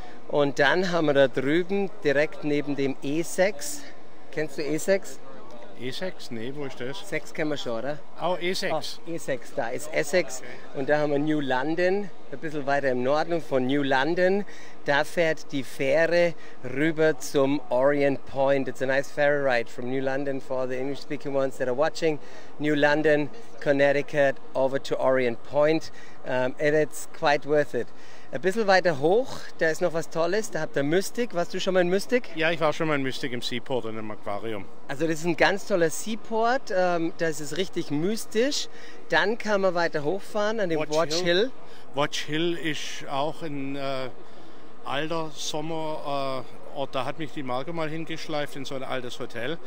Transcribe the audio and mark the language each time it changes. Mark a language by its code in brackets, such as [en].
[de] Und dann haben wir da drüben direkt neben dem E6. Kennst du E6? E6? Nee, wo ist das? 6 kennen wir schon, oder? Oh, E6. Oh, E6, da ist Essex. Okay. Und da haben wir New London, ein bisschen weiter im Norden von New London. Da fährt die Fähre rüber zum Orient Point. [en] It's a nice ferry ride from New London for the English-speaking ones that are watching. New London, Connecticut, over to Orient Point. And it's quite worth it. [de] ein bisschen weiter hoch, da ist noch was Tolles, da habt ihr Mystik. Warst du schon mal in Mystik? Ja, ich war schon mal in Mystik im Seaport in einem Aquarium. Also das ist ein ganz toller Seaport, da ist es richtig mystisch. Dann kann man weiter hochfahren an dem Watch Hill. Watch Hill ist auch ein alter Sommerort, da hat mich die Marke mal hingeschleift in so ein altes Hotel.